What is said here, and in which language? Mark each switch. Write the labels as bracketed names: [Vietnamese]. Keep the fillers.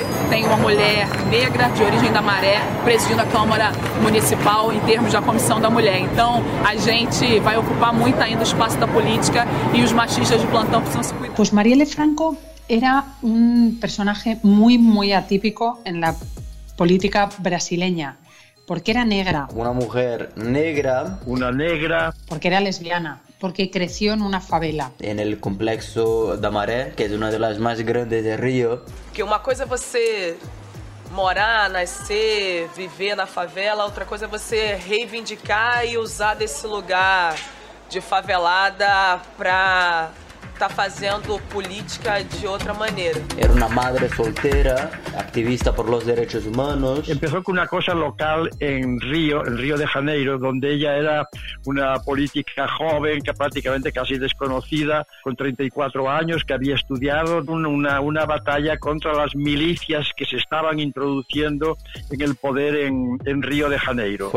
[Portuguese] Tem uma mulher negra de origem da Maré presidindo a Câmara Municipal em termos da Comissão da Mulher. Então, a gente vai ocupar muito ainda o espaço da política e os machistas de plantão precisam se cuidar. [Spanish] Pues Marielle Franco era un personaje muy, muy atípico en la política brasileña, porque era negra, Una mujer negra [Portuguese] Uma negra. [Spanish] porque era lesbiana, porque creció en una favela. en el complejo Damaré, que es una de las más grandes de Río. [Portuguese] Porque uma coisa é você morar, nascer, viver na favela, outra coisa é você reivindicar e usar desse lugar de favelada pra tá fazendo política de outra maneira. [Spanish] Era una madre soltera, activista por los derechos humanos. Empezó con una cosa local en Río, en Río de Janeiro, donde ella era una política joven, que prácticamente casi desconocida, con 34 años, que había estudiado un- una, una batalla contra las milicias que se estaban introduciendo en el poder en, en Río de Janeiro.